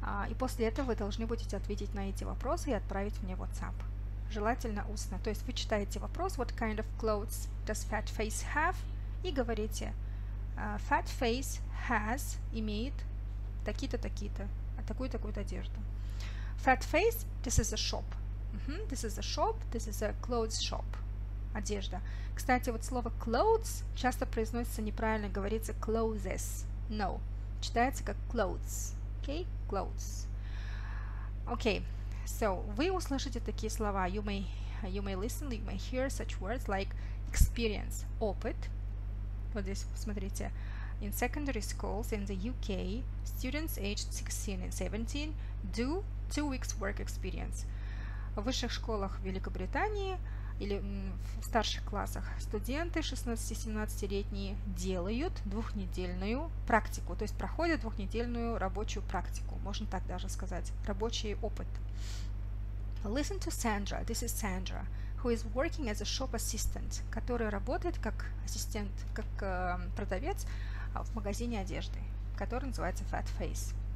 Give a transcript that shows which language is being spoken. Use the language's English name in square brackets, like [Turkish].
[Russian] И после этого вы должны будете ответить на эти вопросы и отправить мне WhatsApp. Желательно устно. То есть вы читаете вопрос, [English] what kind of clothes does fat face have? [Russian] И говорите, [English] fat face has, [Russian] имеет, такие-то, такие-то, такую-такую одежду. [English] Fat face, this is a shop. Mm-hmm. This is a shop, this is a clothes shop. [Russian] Одежда. Кстати, вот слово clothes часто произносится неправильно, говорится clothes. [English] No. [Russian] Читается как [English] clothes. Okay? Clothes. Okay. [Russian] So, вы услышите такие слова. [English] You may listen, you may hear such words like experience, опыт. [Russian] Вот здесь, посмотрите. [English] In secondary schools in the UK, students aged 16 and 17 do 2 weeks work experience. [Russian] В высших школах Великобритании или в старших классах студенты 16-17-летние делают двухнедельную практику, то есть проходят двухнедельную рабочую практику, можно так даже сказать, рабочий опыт. [English] Listen to Sandra. This is Sandra, who is working as a shop assistant, [Russian] которая работает как ассистент, как продавец в магазине одежды, который называется [English] Fat Face.